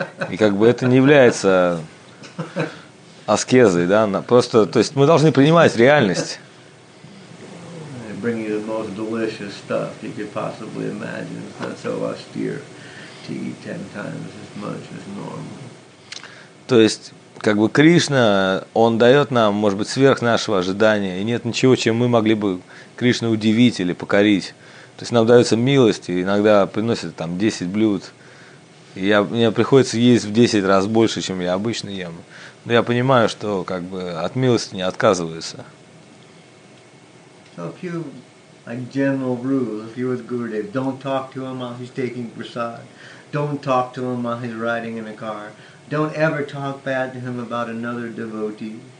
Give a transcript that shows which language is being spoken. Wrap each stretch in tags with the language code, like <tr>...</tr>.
<ru>И как бы это не является аскезой, да? Просто, то есть мы должны принимать реальность.</ru> <en>Bring you the most delicious stuff you could possibly imagine. It's not so austere to eat 10 times as much as normal.</en> <ru>То есть, как бы Кришна, он дает нам, может быть, сверх нашего ожидания, и нет ничего, чем мы могли бы Кришну удивить или покорить. То есть нам дается милость, и иногда приносят там 10 блюд. И мне приходится есть в 10 раз больше, чем я обычно ем. Но я понимаю, что как бы от милости не отказываются.</ru> <en>So a few like general rules, if you're with Gurudev, don't talk to him while he's taking prasad. Don't talk to him while he's riding in a car. Don't ever talk bad to him about another devotee.</en>